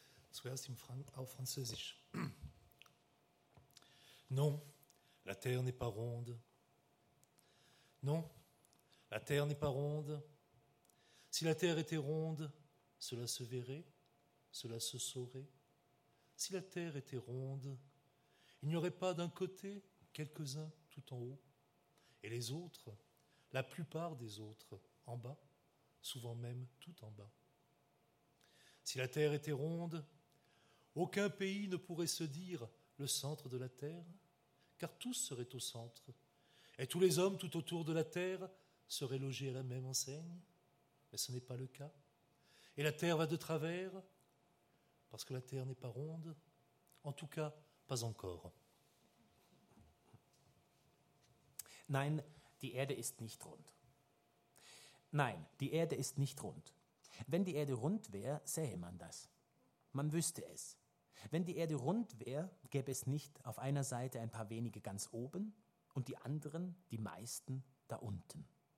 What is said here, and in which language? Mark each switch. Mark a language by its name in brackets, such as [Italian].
[German] Zuerst auf Französisch. [French] Non, la terre n'est pas ronde. Non, la terre n'est pas ronde. Si la terre était ronde, cela se verrait, cela se saurait. Si la terre était ronde, il n'y aurait pas d'un côté quelques-uns tout en haut, et les autres, la plupart des autres, en bas, souvent même tout en bas. Si la terre était ronde, aucun pays ne pourrait se dire le centre de la terre, car tous seraient au centre, et tous les hommes tout autour de la terre seraient logés à la même enseigne. Mais ce n'est pas le cas. Et la terre va de travers, parce que la terre n'est pas ronde, en tout cas pas encore. [German] Nein, die Erde ist nicht rund. Nein, die Erde ist nicht rund. Wenn die Erde rund wäre, sähe man das. man wüsste es. Wenn die Erde rund wäre, gäbe es nicht auf einer Seite ein paar wenige ganz oben und die anderen, die meisten, da unten.